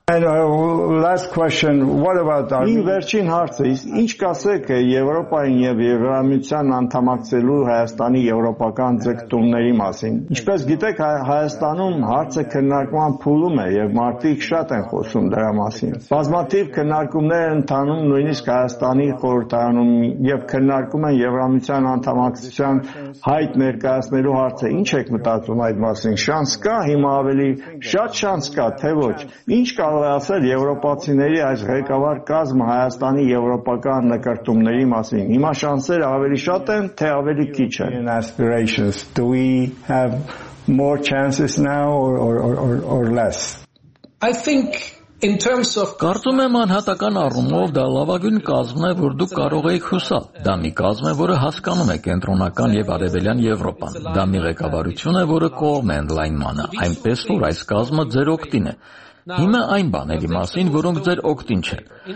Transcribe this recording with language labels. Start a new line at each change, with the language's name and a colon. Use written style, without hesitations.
English: Last question, what about our
Armenian: վերջին հարցը, ինչ կասեք Եվրոպային և Եվրամիության անդամակցելու Հայաստանի եվրոպական ձգտումների մասին։ Ինչպես գիտեք, Հայաստանում հարցը քննարկման փուլում է և մարդիկ շատ են խոսում դրա մասին։ Բազմաթիվ քննարկումներ են ընթանում նույնիսկ Հայաստանի խորհրդարանում և քննարկում են Եվրամիության անդամակցության հայտ ներկայացնելու հարցը։ Ինչ եք մտածում այդ մասին, շանս կա հիմա ավել ավելի շատ շանս կա, թե ոչ։ Ինչ կարող է ասել եվրոպացիների այս ղեկավար կազմը Հայաստանի եվրոպական նկարտումների մասին։ Հիմա շանսերը ավելի շատ են, թե ավելի քիչ են։
English: In aspirations, do we have more chances now or less? I think in terms of
Armenian: կարծում եմ անհատական առումով դա լավագույն կազմն է, որ դուք կարող եք հուսալ։ Դա մի կազմ է, որը հասկանում է կենտրոնական եւ արևելյան Եվրոպան։ Դա մի ղեկավարություն է, որը կողմ է ընդլայնմանը, այնպես որ այս կազմը ձեր օգտին է։ Հիմա այն բաների մասին, որոնք ձեր օգտին չեն։